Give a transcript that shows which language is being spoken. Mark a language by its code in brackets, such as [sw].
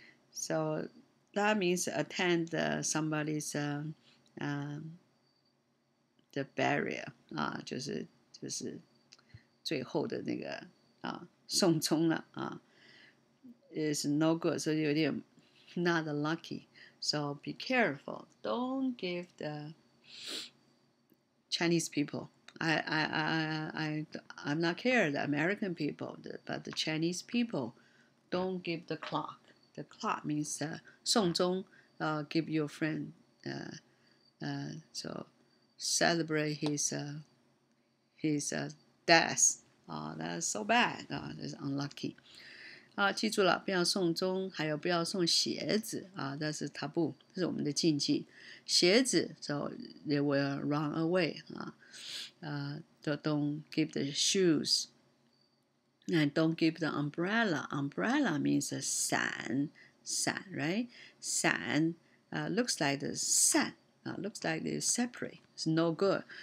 [en] So. That means attend somebody's the burial [zh] 就是最后的那个送终了 [en] is no good [zh] 所以有点 [en] not lucky so be careful don't give the Chinese people I'm not care the American people but the Chinese people don't give the clock. The clock means 送钟 give your friend, so celebrate his death. That's so bad, that's unlucky. [zh] 记住了，不要送钟，还有不要送鞋子那是 taboo, 这是我们的禁忌。 [en] 鞋子 so they will run away, don't give the shoes. And don't give the umbrella. Umbrella means a 伞 right? 伞 looks like the 伞 looks like it's separate. It's no good.